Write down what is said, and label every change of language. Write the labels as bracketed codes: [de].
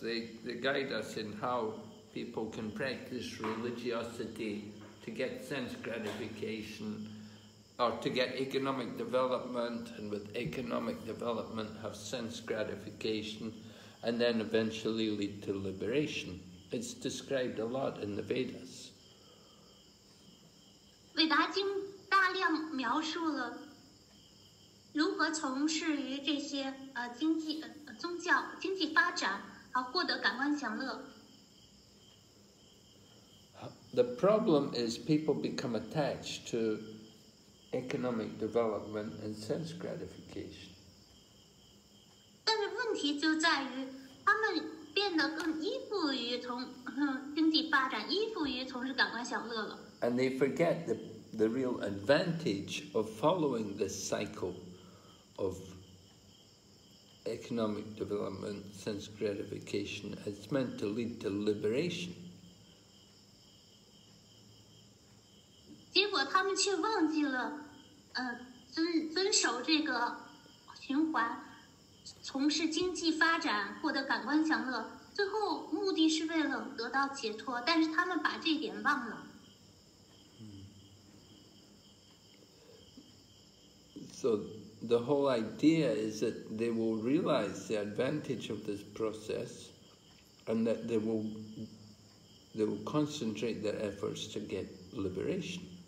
[en] They guide us in how people can practice religiosity to get sense gratification. Or to get economic development, and with economic development, have sense gratification, and then eventually lead to liberation. It's described a lot in the Vedas. [zh] Veda 经大量描述了如何从事于这些经济、宗教、经济发展，而获得感官享乐。 [en] The problem is people become attached to. Economic development and sense gratification. [zh] 但是问题就在于，他们变得更依附于从经济发展，依附于从事感官享乐了。 [en] And they forget the real advantage of following this cycle of economic development, sense gratification. It's meant to lead to liberation. [zh] 结果他们却忘记了。遵守这个循环，从事经济发展，获得感官享乐，最后目的是为了得到解脱，但是他们把这点忘了。 [en] So the whole idea is that they will realize the advantage of this process, and that they will concentrate their efforts to get liberation.